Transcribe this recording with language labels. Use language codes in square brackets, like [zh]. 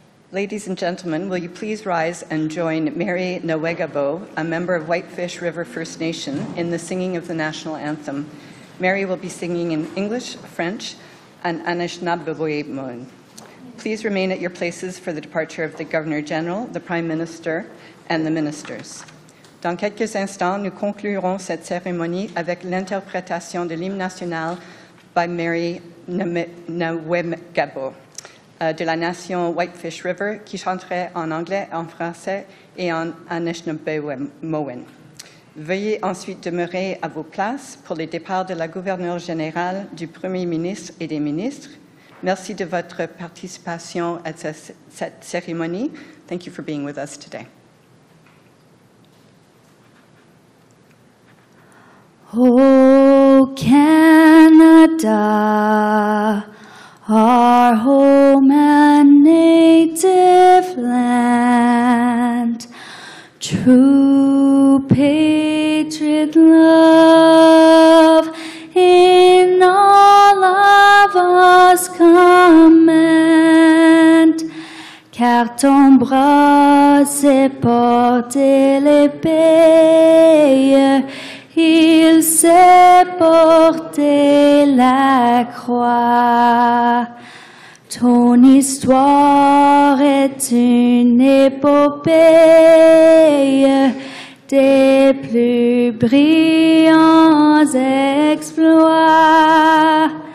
[en] Ladies and gentlemen, will you please rise and join Mary Nawegabo, a member of Whitefish River First Nation, in the singing of the national anthem. Mary will be singing in English, French, and Anishinaabemowin. Please remain at your places for the departure of the Governor General, the Prime Minister, and the ministers. [fr] Dans quelques instants, nous conclurons cette cérémonie avec l'interprétation de l'hymne national by Mary Nawegabo. De la nation Whitefish River, qui chanterait en anglais, en français et en Anishinaabemowin. Veuillez ensuite demeurer à vos places pour les départs de la gouverneure générale, du premier ministre et des ministres. Merci de votre participation à cette cérémonie. [en] Thank you for being with us today. Oh, Canada, our home and native land, true patriot love in all of us command. [fr] Car ton bras s'est porté l'épée, il s'est porté la croix. Ton histoire est une épopée des plus brillants exploits.